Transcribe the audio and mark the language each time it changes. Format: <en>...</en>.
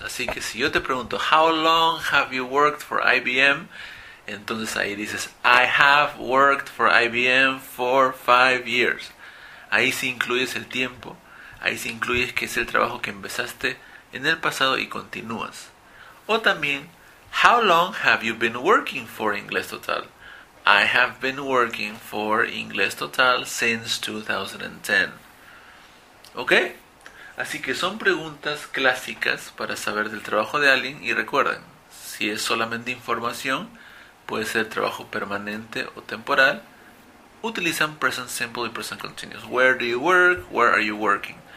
<es>Así que si yo te pregunto,</es> <en>how long have you worked for IBM?</en> <es>Entonces ahí dices,</es> <en>I have worked for IBM for 5 years.</en> <es>Ahí sí incluyes el tiempo. Ahí sí incluyes que es el trabajo que empezaste en el pasado y continúas. O también,</es> <en>how long have you been working for Inglés Total? I have been working for Inglés Total since 2010.</en> <es>¿Ok? Así que son preguntas clásicas para saber del trabajo de alguien. Y recuerden, si es solamente información, puede ser trabajo permanente o temporal.</es> <en>Utilizan present simple y present continuous. Where do you work? Where are you working?</en>